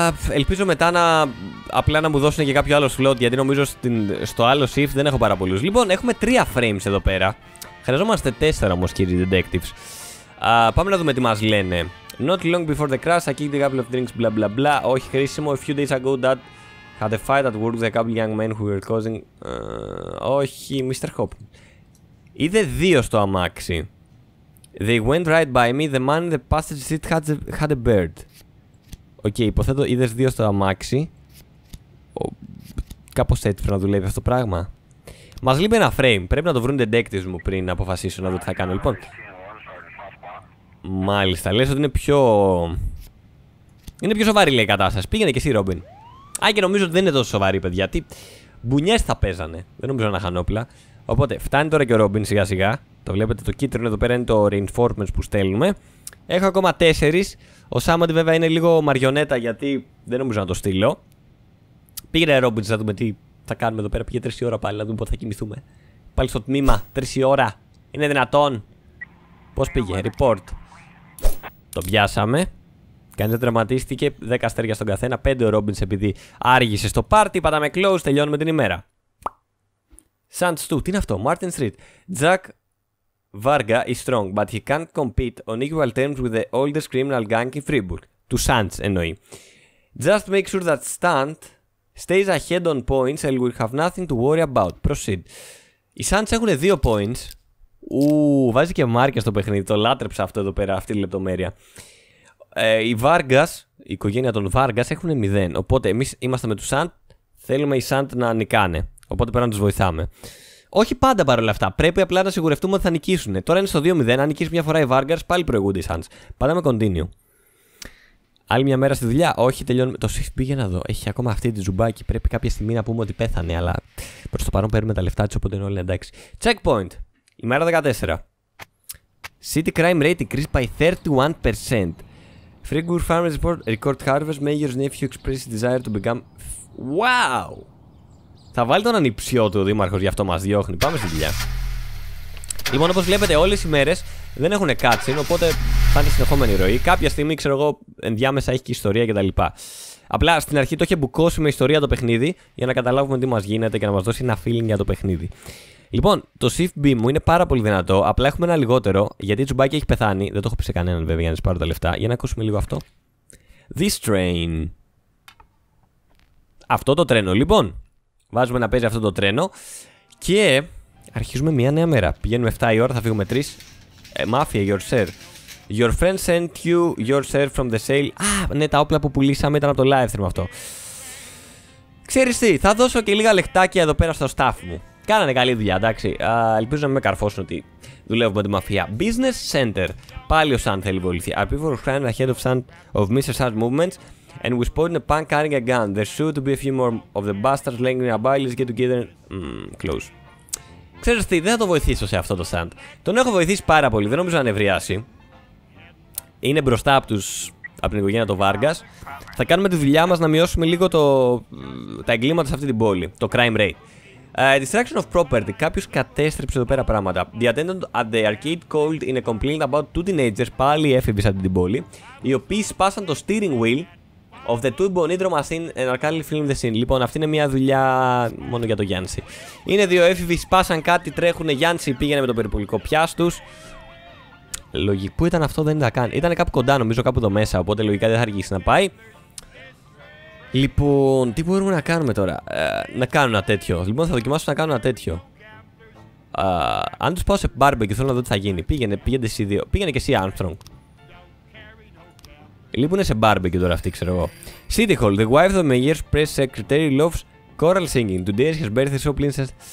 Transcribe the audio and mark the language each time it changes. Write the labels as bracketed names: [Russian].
[Greek] Ελπίζω μετά να. Απλά να μου δώσουν και κάποιο άλλο slot. Γιατί νομίζω στο άλλο shift δεν έχω πάρα πολλούς. Λοιπόν, έχουμε 3 frames εδώ πέρα. Χρειαζόμαστε 4 όμως, κύριοι detectives. Πάμε να δούμε τι μας λένε. [English] Not long before the crash, I kicked a couple of drinks, blah blah blah. [Greek] Όχι χρήσιμο. [English] A few days ago that. Had a fight at work with a couple young men who were causing. Όχι, Mr. Hopkins. [Greek] Είδε δύο στο αμάξι. [English] They went right by me. The man in the passenger seat had a bird. [Greek] Οκ, okay, υποθέτω είδε δύο στο αμάξι. Κάπως έτσι πρέπει να δουλεύει αυτό το πράγμα. Μας λείπει ένα frame. Πρέπει να το βρουν detectives μου πριν να αποφασίσω να δω τι θα κάνω. Λοιπόν. Μάλιστα, λες ότι είναι πιο. Είναι πιο σοβαρή λέει η κατάσταση. Πήγαινε και εσύ, Ρόμπιν. Α, και νομίζω ότι δεν είναι τόσο σοβαρή, παιδιά. Τι μπουνιές θα παίζανε. Δεν νομίζω να είχαν όπλα. Οπότε, φτάνει τώρα και ο Ρόμπιν σιγά-σιγά. Το βλέπετε, το κίτρινο εδώ πέρα είναι το reinforcements που στέλνουμε. Έχω ακόμα 4. Ο Σάμαντι, βέβαια, είναι λίγο μαριονέτα γιατί δεν νομίζω να το στείλω. Πήγαινε, Ρόμπιν, να δούμε τι θα κάνουμε εδώ πέρα. Πήγε 3 ώρα πάλι, να δούμε πότε θα κοιμηθούμε. Πάλι στο τμήμα, 3 ώρα. Είναι δυνατόν. Πώς πήγε, report. Το πιάσαμε. Κανείς δεν τραυματίστηκε. 10 αστέρια στον καθένα. 5 ο Ρόμπινς επειδή άργησε στο πάρτι. Πατάμε close. Τελειώνουμε την ημέρα. Σαντ Στου. Τι είναι αυτό. Μάρτιν Street. [English] Jack Varga is strong, but he can't compete on equal terms with the oldest criminal gang in Fribourg. [Greek] Του Σαντ εννοεί. [English] Just make sure that Stunt stays ahead on points and will have nothing to worry about. Proceed. [Greek] Οι Σαντ έχουν 2 points. Ου, βάζει και μάρκες στο παιχνίδι. Το λάτρεψα αυτό εδώ πέρα, αυτή τη λεπτομέρεια. Οι Vargas, η οικογένεια των Vargas έχουν 0. Οπότε εμείς είμαστε με τους Sant. Θέλουμε οι Sant να νικάνε. Οπότε πρέπει να τους βοηθάμε. Όχι πάντα παρόλα αυτά. Πρέπει απλά να σιγουρευτούμε ότι θα νικήσουν. Τώρα είναι στο 2-0. Αν νικήσει μια φορά οι Vargas, πάλι προηγούνται οι Sant. Πάμε continue. Άλλη μια μέρα στη δουλειά. Όχι, τελειώνουμε. Το shift πήγε να δω. Έχει ακόμα αυτή τη ζουμπάκι. Πρέπει κάποια στιγμή να πούμε ότι πέθανε. Αλλά προς το παρόν παίρνουμε τα λεφτά της. Οπότε είναι όλοι εντάξει. Checkpoint. Ημέρα 14. [English] City crime rate increased by 31%. Fribourg Farmers Report, record harvest, Mayor's nephew expressed desire to become. Wow! [Greek] Θα βάλει τον ανιψιό του ο δήμαρχος, γι' αυτό μας διώχνει. Πάμε στη δουλειά. Λοιπόν, όπως βλέπετε, όλες οι μέρες δεν έχουν κάτσει, οπότε θα είναι συνεχόμενη ροή. Κάποια στιγμή, ξέρω εγώ, ενδιάμεσα έχει και ιστορία κτλ. Απλά στην αρχή το είχε μπουκώσει με ιστορία το παιχνίδι, για να καταλάβουμε τι μας γίνεται και να μας δώσει ένα feeling για το παιχνίδι. Λοιπόν, το Shift B μου είναι πάρα πολύ δυνατό. Απλά έχουμε ένα λιγότερο, γιατί τσουμπάκι έχει πεθάνει. Δεν το έχω πει σε κανέναν βέβαια για να σας πάρω τα λεφτά. Για να ακούσουμε λίγο αυτό. [English] This train. [Greek] Αυτό το τρένο. Λοιπόν, βάζουμε να παίζει αυτό το τρένο. Και αρχίζουμε μια νέα μέρα. Πηγαίνουμε 7 η ώρα, θα φύγουμε 3. [English] Mafia, your sir. Your friend sent you your sir from the sale. [Greek] Α, ναι, τα όπλα που πουλήσαμε ήταν από το live stream αυτό. Ξέρεις τι, θα δώσω και λίγα λεχτάκια εδώ πέρα στο staff μου. Κάνανε καλή δουλειά, εντάξει. Ελπίζω να μην με καρφώσουν ότι δουλεύουμε με τη μαφία. Business Center. Πάλι ο Σαντ θέλει βοηθεί. [English] Our people were crying ahead of Sand of Mr. Sand movements and we spotted a punk carrying a gun. There should be a few more of the bastards laying nearby. Let's get together. Close. [Greek] Ξέρεις τι, δεν θα το βοηθήσω σε αυτό το Sand. Τον έχω βοηθήσει πάρα πολύ. Δεν νομίζω να νευριάσει. Είναι μπροστά από τους. Από την οικογένεια του Vargas. Θα κάνουμε τη δουλειά μας να μειώσουμε λίγο τα εγκλήματα σε αυτή την πόλη. [English] Το crime rate. Destruction of property. [Greek] Κάποιος κατέστρεψε εδώ πέρα πράγματα. [English] The attendant at the arcade called in a complaint about two teenagers, [Greek] πάλι έφηβοι σαν την πόλη, οι οποίοι [English] σπάσαν το steering wheel of the two bonito machine and are currently filming the scene. [Greek] Λοιπόν, αυτή είναι μια δουλειά μόνο για το Γιάννη. Είναι δύο έφηβοι, σπάσαν κάτι, τρέχουνε. Γιάννη πήγαινε με το περιπολικό πιάστο του. Λογικό. Πού ήταν αυτό, δεν ήταν καν. Ήταν κάπου κοντά, νομίζω, κάπου εδώ μέσα. Οπότε λογικά δεν θα αργήσει να πάει. Λοιπόν, τι μπορούμε να κάνουμε τώρα. Να κάνω ένα τέτοιο. Λοιπόν, θα δοκιμάσω να κάνω ένα τέτοιο. Αν του πάω σε μπάρμπεκ και θέλω να δω τι θα γίνει. Πήγαινε εσύ δύο. Πήγαινε και εσύ, Armstrong. Λείπουνε σε μπάρμπεκ τώρα αυτή, ξέρω εγώ. [English] City Hall. The wife of the mayor's press secretary loves choral singing. Today is his birthday, so please.